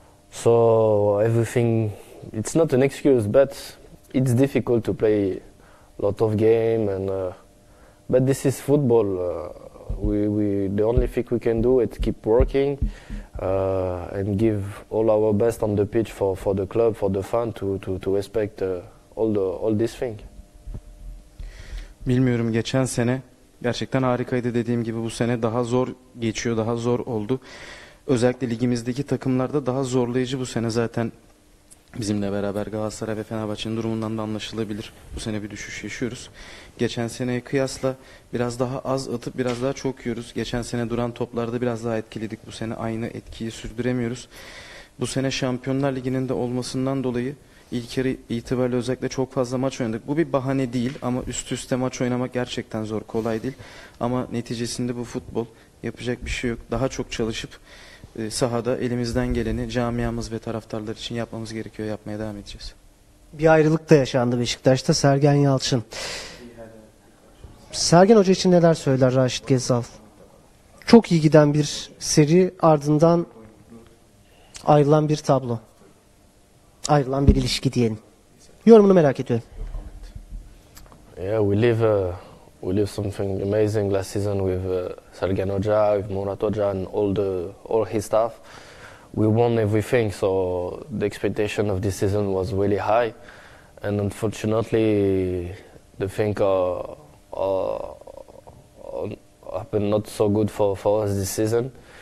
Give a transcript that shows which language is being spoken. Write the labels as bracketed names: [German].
[English] So everything, it's not an excuse, but it's difficult to play a lot of game, and but this is football. We the only thing we can do is keep working and give all our best on the pitch for the club, for the fan to respect all this thing. [Turkish] Bilmiyorum, geçen sene gerçekten harikaydı, dediğim gibi bu sene daha zor geçiyor, daha zor oldu. Özellikle ligimizdeki takımlarda daha zorlayıcı bu sene zaten. Bizimle beraber Galatasaray ve Fenerbahçe'nin durumundan da anlaşılabilir. Bu sene bir düşüş yaşıyoruz. Geçen seneye kıyasla biraz daha az atıp biraz daha çok yiyoruz. Geçen sene duran toplarda biraz daha etkiledik. Bu sene aynı etkiyi sürdüremiyoruz. Bu sene Şampiyonlar Ligi'nin de olmasından dolayı ilk yarı itibariyle özellikle çok fazla maç oynadık. Bu bir bahane değil ama üst üste maç oynamak gerçekten zor, kolay değil. Ama neticesinde bu futbol, yapacak bir şey yok. Daha çok çalışıp sahada elimizden geleni camiamız ve taraftarlar için yapmamız gerekiyor. Yapmaya devam edeceğiz. Bir ayrılık da yaşandı Beşiktaş'ta. Sergen Yalçın. Sergen Hoca için neler söyler Raşit Gezal? Çok iyi giden bir seri, ardından ayrılan bir tablo. Ayrılan bir ilişki diyelim. Yorumunu merak ediyorum. [English] Yeah, we live something amazing last season with Sergen Hoca, with Murat Hoca, and all his staff. We won everything, so the expectation of this season was really high. And unfortunately, the thing happened not so good for us this season.